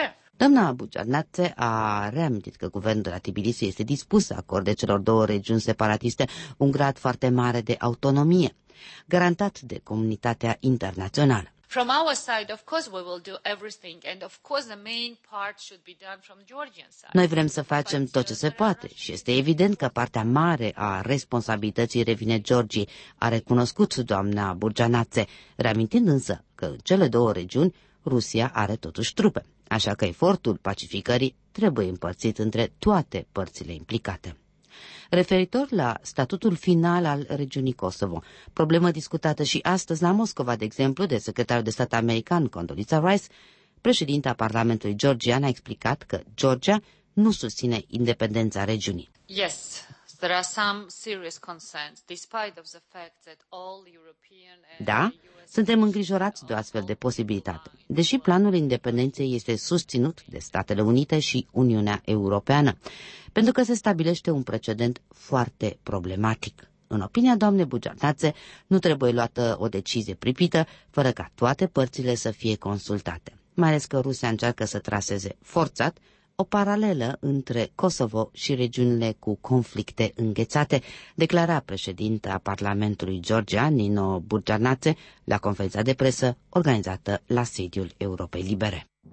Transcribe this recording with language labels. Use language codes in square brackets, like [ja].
[ro] Doamna Bujarnace a reamintit că guvernul de la Tbilisi este dispus să acorde celor două regiuni separatiste un grad foarte mare de autonomie, garantat de comunitatea internațională. [en] From our side, of course, we will do everything, and of course, the main part should be done from Georgian side. [ro] Noi vrem să facem tot ce se poate și este evident că partea mare a responsabilității revine Georgiei, a recunoscut doamna Bujarnace, reamintind însă că în cele două regiuni Rusia are totuși trupe, așa că efortul pacificării trebuie împărțit între toate părțile implicate. Referitor la statutul final al regiunii Kosovo, problemă discutată și astăzi la Moscova, de exemplu, de secretarul de stat american Condoleezza Rice, președinta Parlamentului Georgian a explicat că Georgia nu susține independența regiunii. [en] Yes, there are some serious concerns, despite of the fact that all European... [ro] Da, suntem îngrijorați de o astfel de posibilitate, deși planul independenței este susținut de Statele Unite și Uniunea Europeană, pentru că se stabilește un precedent foarte problematic. În opinia doamnei Bujarnace, nu trebuie luată o decizie pripită, fără ca toate părțile să fie consultate, mai ales că Rusia încearcă să traseze forțat o paralelă între Kosovo și regiunile cu conflicte înghețate, declara președinta Parlamentului Georgian Nino Bujarnace la conferința de presă organizată la sediul Europei Libere.